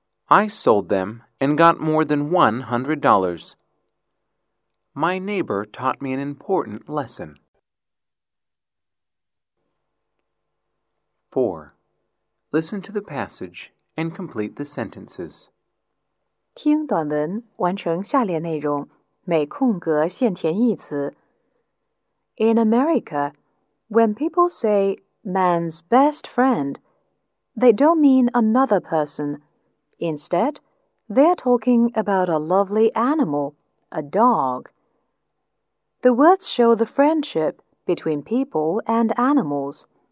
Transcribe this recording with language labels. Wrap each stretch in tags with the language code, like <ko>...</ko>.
<en>I sold them and got more than $100. My neighbor taught me an important lesson. 4. Listen to the passage and complete the sentences.</en> <zh>听短文，完成下列内容，每空格限填一词。</zh> <en>In America, when people say man's best friend, they don't mean another person. Instead, they're talking about a lovely animal, a dog. The words show the friendship between people and animals.</en>